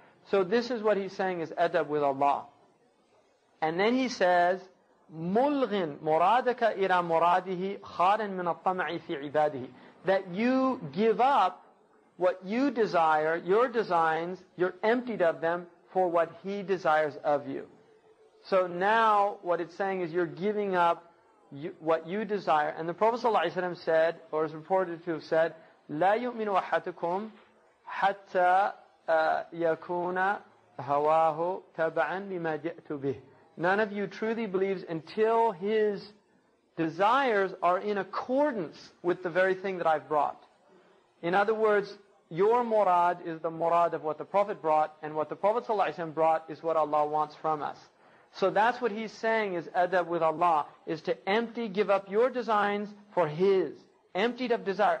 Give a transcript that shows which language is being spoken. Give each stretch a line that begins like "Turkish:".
English: So this is what he's saying is adab with Allah. And then he says,
Arabic: مُلْغِن مُرَادَكَ إِلَى مُرَادِهِ خَارًا مِنَ الطَّمَعِ فِي عِبَادِهِ,
English: that you give up what you desire, your designs, you're emptied of them for what He desires of you. So now what it's saying is you're giving up what you desire. And the Prophet ﷺ said, or is reported to have said,
Arabic: لا يؤمن أحدكم حتى يكون هواه تبعا لما جئت به.
English: None of you truly believes until his desires are in accordance with the very thing that I've brought. In other words, your murad is the murad of what the Prophet brought, and what the Prophet ﷺ brought is what Allah wants from us. So that's what he's saying is adab with Allah, is to empty, give up your designs for His. Emptied of desire.